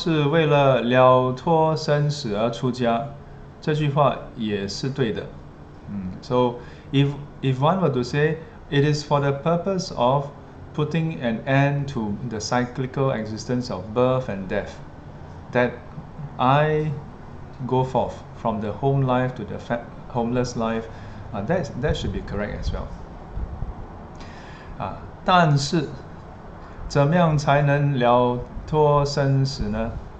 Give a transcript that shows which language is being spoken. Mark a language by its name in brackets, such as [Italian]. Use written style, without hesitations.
[Chinese] 如果说是为了了脱生死而出家, 这句话也是对的. [English] So if one were to say it is for the purpose of putting an end to the cyclical existence of birth and death, that I go forth from the home life to the homeless life, that should be correct as well. [Chinese] 但是 怎么样才能了脱生死呢?